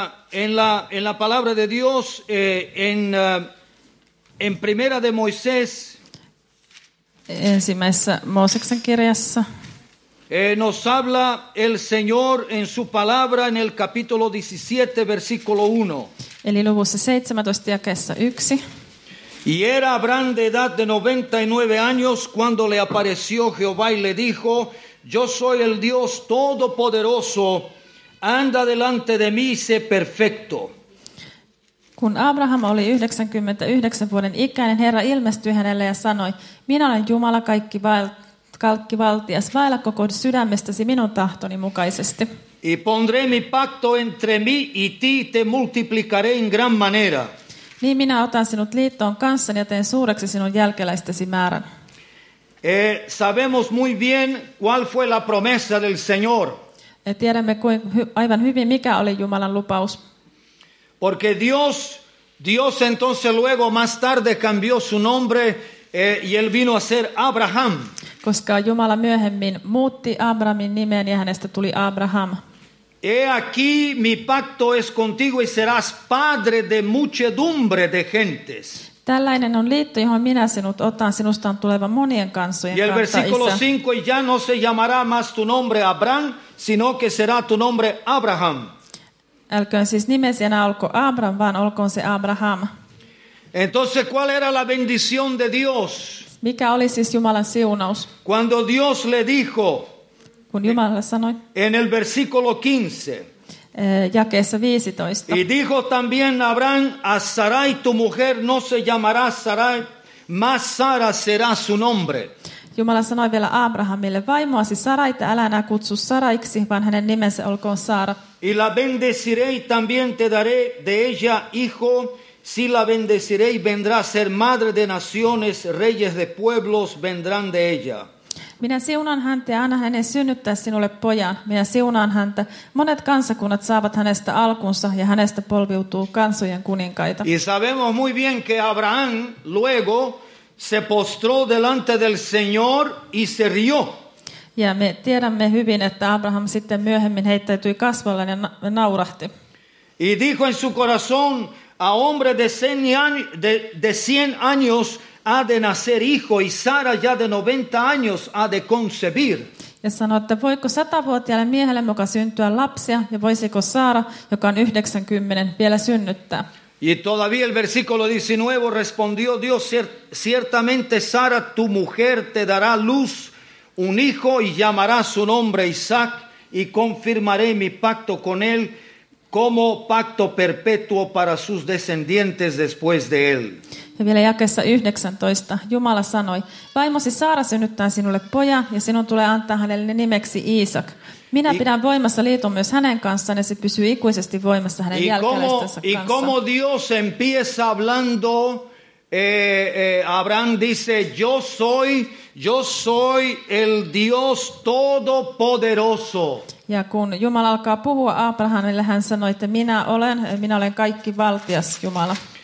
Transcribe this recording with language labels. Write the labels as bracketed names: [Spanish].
[Spanish] en la palabra de Dios en primera de Moisés [Finnish] ensimmäisessä Mooseksen kirjassa. [Spanish] Nos habla el Señor en su palabra en el capítulo 17, versículo 1. [Finnish] Eli luvussa 17, jakeessa 1. [Spanish] Y era Abraham de edad de 99 años cuando le apareció Jehová y le dijo, yo soy el Dios Todopoderoso, anda delante de mí y sé perfecto. [Finnish] Kun Abraham oli 99 vuoden ikäinen, Herra ilmestyi hänelle ja sanoi, minä olen Jumala kaikki vaelta. Kalkkivaltias, vaella koko sydämestäsi minun tahtoni mukaisesti. [Spanish] Y pondré mi pacto entre mí y ti, te multiplicaré en gran manera. [Finnish] Niin minä otan sinut liittoon kanssani ja teen suureksi sinun jälkeläistesi määrän. [Spanish] Sabemos muy bien cuál fue la promesa del Señor. [Finnish] Tiedämme aivan hyvin, mikä oli Jumalan lupaus. [Spanish] Porque Dios entonces luego más tarde cambió su nombre y él vino a ser Abraham. [Finnish] Koska Jumala myöhemmin muutti Abrahamin nimen ja hänestä tuli Abraham. [Spanish] He aquí mi pacto es contigo y serás padre de muchedumbre de gentes. [Finnish] Tällainen on liitto, johon minä sinut otan, sinusta on tuleva monien kansojen kansa. [Spanish] Y el versículo 5 ya no se llamará más tu nombre Abraham, sino que será tu nombre Abraham. [Finnish] Älköön siis nimesi enää olko Abraham, vaan olkoon se Abraham. [Spanish] Entonces, ¿cuál era la bendición de Dios? [Finnish] Mikä oli siis Jumalan siunaus? [Spanish] Cuando Dios le dijo, [Finnish] kun Jumala sanoi, [Spanish] en el versículo 15, [Finnish] jakeessa 15, [Spanish] y dijo también Abraham, a Sarai tu mujer no se llamará Sarai, mas Sara será su nombre. [Finnish] Jumala sanoi vielä Abrahamille, vaimoasi Sarai, että älä enää kutsu Saraiksi, vaan hänen nimensä olkoon Saara. [Spanish] Y la bendeciré y también te daré de ella hijo, si la bendeciré y vendrá a ser madre de naciones, reyes de pueblos vendrán de ella. [Finnish] Minä siunan häntä ja anna hänen synnyttää sinulle pojan. Minä siunan häntä. Monet kansakunnat saavat hänestä alkunsa ja hänestä polviutuu kansojen kuninkaita. [Spanish] Y sabemos muy bien que Abraham luego se postró delante del Señor y se rió. [Finnish] Ja me tiedämme hyvin, että Abraham sitten myöhemmin heittäytyi kasvallaan ja naurahti. [Spanish] Y dijo en su corazón, a hombre de 100 años ha de nacer hijo y Sara ya de 90 años ha de concebir. [Finnish] Ja sanoi, että voiko 100-vuotiaalle miehelle muka syntyä lapsia ja voisiko Saara, joka on 90, vielä synnyttää. [Spanish] Y todavía el versículo 19 respondió Dios, ciertamente Sara, tu mujer te dará luz un hijo y llamará su nombre Isaac y confirmaré mi pacto con él. Como pacto perpetuo para sus descendientes después de él. [Finnish] Ja vielä jakessa 19. Jumala sanoi, vaimosi Saara synnyttää sinulle poja, ja sinun tulee antaa hänelle nimeksi Iisak. Minä pidän voimassa liiton myös hänen kanssaan, ja se pysyy ikuisesti voimassa hänen jälkeläistensä kanssa. [Spanish] Y como Dios empieza hablando, Abraham dice, yo soy el Dios Todopoderoso. [Finnish] Ja kun Jumala alkaa puhua Abrahamille, hän sanoi, että minä olen kaikki valtias Jumala.